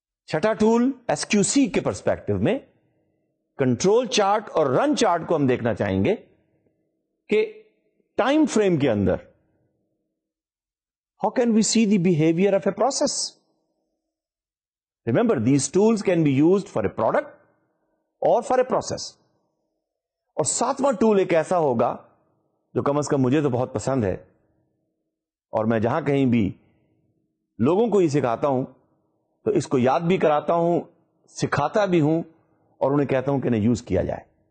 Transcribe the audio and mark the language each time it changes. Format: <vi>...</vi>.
<ur>چھٹا tool S Q سی کے perspective میں کنٹرول چارٹ اور رن چارٹ کو ہم دیکھنا چاہیں گے کہ ٹائم فریم کے اندر</ur> <en>How can we see the behaviour of a process. Remember these tools can be used for a product or for a process.</en> <ur>اور ساتواں ٹول ایک ایسا ہوگا جو کم از کم مجھے تو بہت پسند ہے اور میں جہاں کہیں بھی لوگوں کو یہ سکھاتا ہوں تو اس کو یاد بھی کراتا ہوں سکھاتا بھی ہوں اور انہیں کہتا ہوں کہ انہیں یوز کیا جائے.</ur>